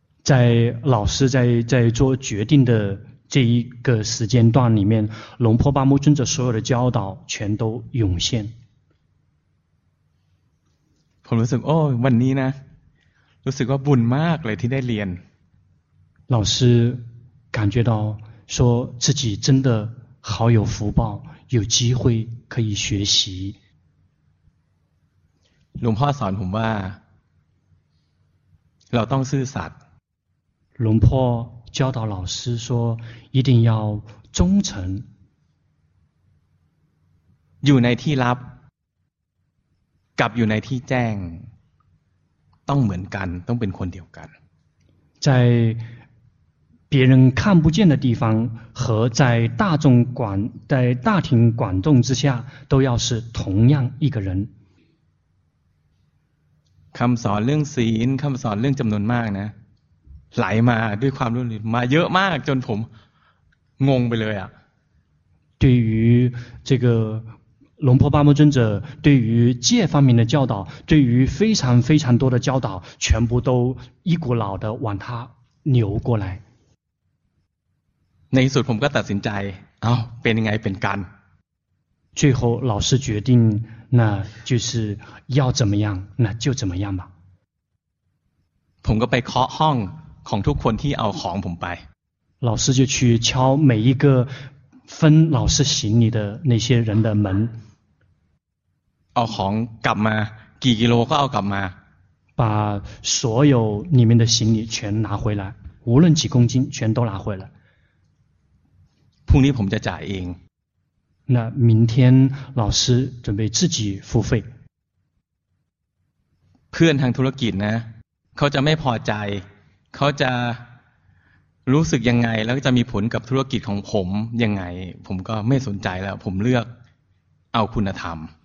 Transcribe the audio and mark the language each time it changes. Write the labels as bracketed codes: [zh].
[zh] 在老师在做决定的这一个时间段里面龙婆巴木尊者所有的教导全都涌现 [th] ผมรู้สึกโอ้วันนี้นะรู้สึกว่าบุญมากเลยที่ได้เรียน [zh] 老师感觉到说自己真的好有福报有机会可以学习 [th] หลวงพ่อสอนผมว่าเราต้องซื่อสัตย์ [zh] หลวงพ่อ教导老师说一定要忠诚 [th] อยู่ในที่ลับกับอยู่ในที่แจ้งต้องเหมือนกันต้องเป็นคนเดียวกัน [zh] 在别人看不见的地方和在大众广在大庭广众之下都要是同样一个人 [th] คำสอนเรื่องศีลคำสอนเรื่องจำนวนมากนะไหลมาด้วยความรู้สึกมาเยอะมากจนผมงงไปเลยอ่ะ [zh] 对于这个龙婆巴木尊者对于戒方面的教导对于非常非常多的教导全部都一股脑的往他流过来 [th] ในสุดผมก็ตัดสินใจเอ้าเป็นยังไงเป็นกัน [zh] 最后老师决定那就是要怎么样那就怎么样吧 [th] ผมก็ไปเคาะห้องของทุกคนที่เอาของผมไป [zh] 老师就去敲每一个分老师行李的那些人的门 [th] เอาของกลับมากี่กิโลก็เอากลับมา [zh] 把所有里面的行李全拿回来无论几公斤全都拿回来 [th] พรุ่งนี้ผมจะจ่ายเอง [zh] 那明天老师准备自己付费 [th] เพื่อนทางธุรกิจนะเขาจะไม่พอใจเขาจะรู้สึกยังไงแล้วจะมีผลกับธุรกิจของผมยังไงผมก็ไม่สนใจแล้วผมเลือกเอาคุณธรรม